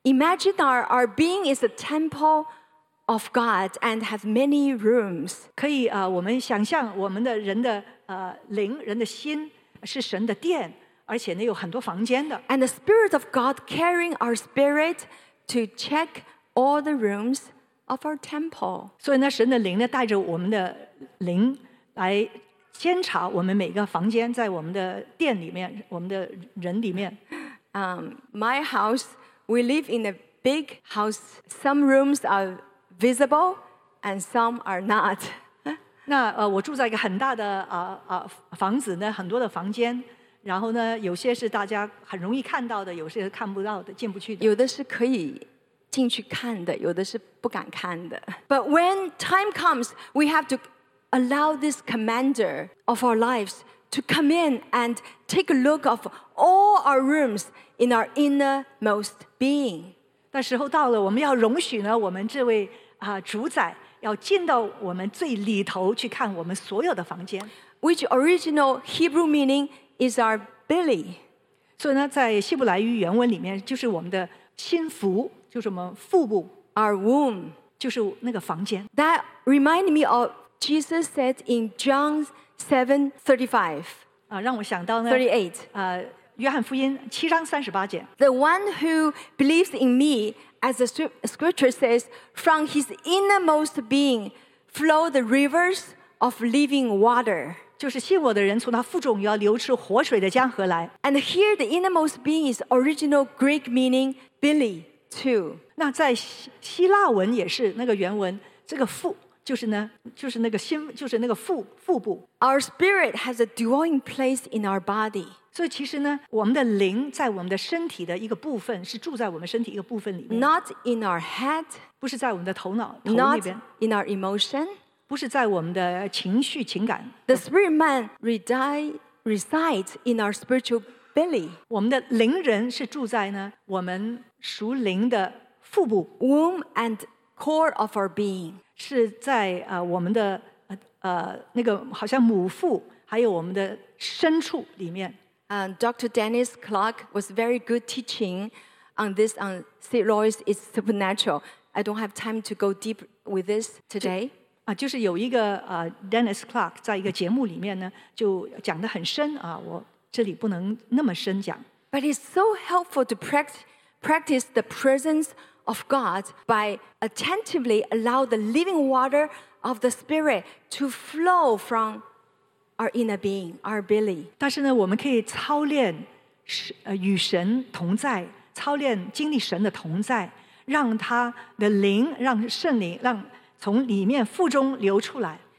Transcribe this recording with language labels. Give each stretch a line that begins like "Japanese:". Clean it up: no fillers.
English: Imagine our being is a temple of God and has many rooms.
Chinese: 可以我们想象我们的人的灵、人的心是神的殿。而且呢，有很多房间的。
English: And the Spirit of God carrying our spirit to check all the rooms of our temple.
Chinese: 所以呢，神的灵呢，带着我们的灵来监察我们每个房间，在我们的殿里面，我们的人里面。
English: My house, we live in a big house. Some rooms are visible, and some are not.
Chinese: 那我住在一个很大的房子呢，很多的房间。然后呢，有些是大家很容易看到的，有些是看不到的，进不去的。有的是可以进去看的，有的是不敢看的。
English: But when time comes, we have to allow this commander of our lives to come in and take a look of all our rooms in our innermost being.
Chinese: 那时候到了，我们要容许呢，我们这位主宰要进到我们最里头去看我们所有的房间。
English: Which original Hebrew meaning? Is our belly.
Chinese: 所以呢，在希伯来语原文里面，就是我们的心腹，就是我们腹部。
English: Our womb.
Chinese: 就是那个房间。
English: That reminded me of Jesus said in John 7:35.
Chinese: 让我想到呢。
English: 38.
Chinese: 约翰福音7:38.
English: The one who believes in me, as the scripture says, from his innermost being flow the rivers of living water.
Chinese: 就是信我的人从他腹中要流出活水的江河来。
English: And here the innermost being is original Greek meaning belly too.
Chinese: 那在希腊文也是那个原文，这个腹就是呢，就是那个心，就是那个腹部。
English: Our spirit has a dwelling place in our body.
Chinese: 所以其实呢，我们的灵在我们的身体的一个部分，是住在我们身体一个部分里面。
English: Not in our head.
Chinese: 不是在我们的头里边。
English: Not in our emotion.
Chinese: 不是在我们的情绪情感。
English: The spirit man resides in our spiritual belly.
Chinese: 我们的灵人是住在呢我们属灵的腹部。
English: Womb and core of our being.
Chinese: 是在我们的那个好像母腹还有我们的深处里面。
English: Dr. Dennis Clark was very good teaching on this on St. Louis is supernatural. I don't have time to go deep with this today.
Chinese: 就是有一个Dennis Clark 在一个节目里面呢，就讲得很深啊，我这里不能那么深讲。
English: But it's so helpful to practice the presence of God by attentively allow the living water of the Spirit to flow from our inner being, our belly.
Chinese: 但是呢，我们可以操练与神同在，操练经历神的同在，让他的灵，让圣灵，让从里面腹中流出来。